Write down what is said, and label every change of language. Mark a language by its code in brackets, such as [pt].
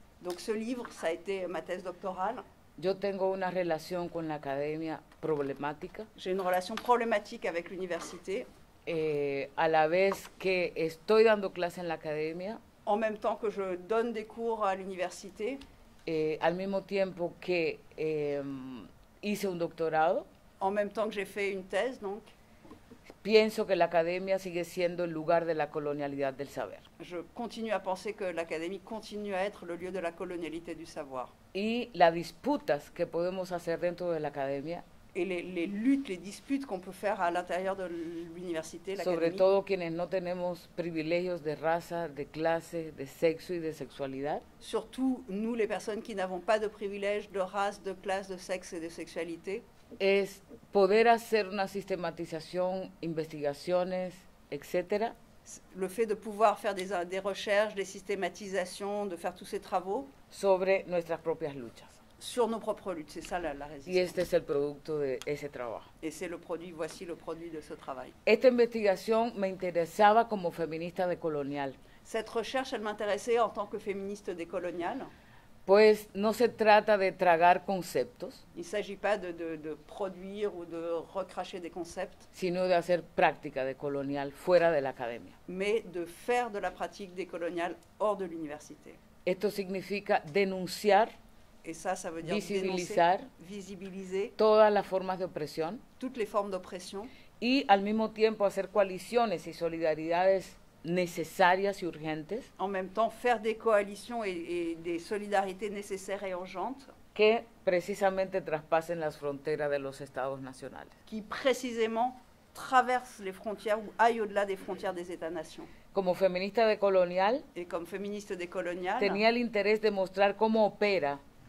[fr] Donc ce livre, ça a été ma thèse doctorale. [es] Yo tengo una relación con la academia problemática. [fr] J'ai une relation problématique avec l'université. [es] A la vez que estoy dando clase en la academia. [fr] En même temps que je donne des cours à l'université. [es] Al mismo tiempo que hice un doctorado. [fr] En même temps que j'ai fait une thèse, donc. [es] Pienso que la academia sigue siendo el lugar de la colonialidad del saber. [fr] Je continue à penser que l'académie continue à être le lieu de la colonialité du savoir. [es] Y las disputas que podemos hacer dentro de la academia. [fr] Et les luttes, les disputes qu'on peut faire à l'intérieur de l'université, l'académie. [es] Sobre todo quienes no tenemos privilegios de raza, de clase, de sexo y de sexualidad. [fr] Surtout nous les personnes qui n'avons pas de privilèges de race, de classe, de sexe et de sexualité. [es] Es poder hacer una sistematización, investigaciones, etcétera. [fr] Le fait de pouvoir faire des recherches, des systématisations, de faire tous ces travaux. [es] Sobre nuestras propias luchas. [fr] Sur nos propres luttes, c'est ça la résistance. [es] Y este es el producto de ese trabajo. [fr] Et c'est le produit, voici le produit de ce travail. [es] Esta investigación me interesaba como feminista decolonial. [fr] Cette recherche, elle m'intéressait en tant que féministe décoloniale. [es] Pues no se trata de tragar conceptos. [fr] Il s'agit pas de produire ou de recracher des concepts. [es] Sino de hacer práctica decolonial fuera de la academia. [fr] Mais de faire de la pratique décoloniale hors de l'université. [es] Esto significa denunciar. [fr] Et ça veut dire [es] visibilizar. [fr] Visibiliser. [es] Todas las formas de opresión. [fr] Toutes les formes d'oppression. [es] Y al mismo tiempo hacer coaliciones y solidaridades necesarias y urgentes. [fr] En même temps, faire des coalitions et des solidarités nécessaires et urgentes. [es] Que precisamente traspasen las fronteras de los estados nacionales. [fr] Qui précisément traversent les frontières ou aillent au-delà des frontières des États-nations. [es] Como feminista decolonial. [fr] Et comme féministe décoloniale. [es] Tenía el interés de mostrar cómo opera.